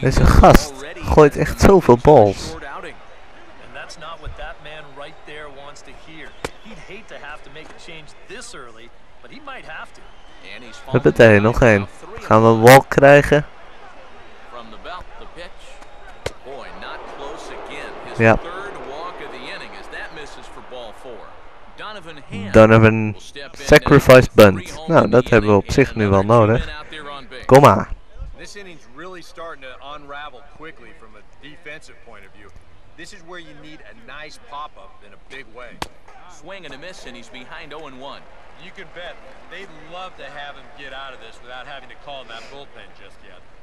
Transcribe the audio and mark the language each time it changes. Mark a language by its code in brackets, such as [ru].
[nl] deze gast gooit echt zoveel balls. [en] And that's not what that man right there wants to hear. He'd hate to have to make a change this early, but he might have to. And he's fallen. [nl] Nog één. Gaan we een walk krijgen? [en] From the belt, the pitch. Boy, not close again. His yep. Third walk of the inning as that misses for ball four. Donovan Sacrifice Bunt. [nl] Nou, dat hebben we op zich nu wel nodig. Kom maar. [en] This inning's really starting to unravel quickly from a defensive point of view. This is where you need a nice pop-up in a big way. Swing and a miss and he's behind 0-1. You can bet they'd love to have him get out of this without having to call him that bullpen just yet.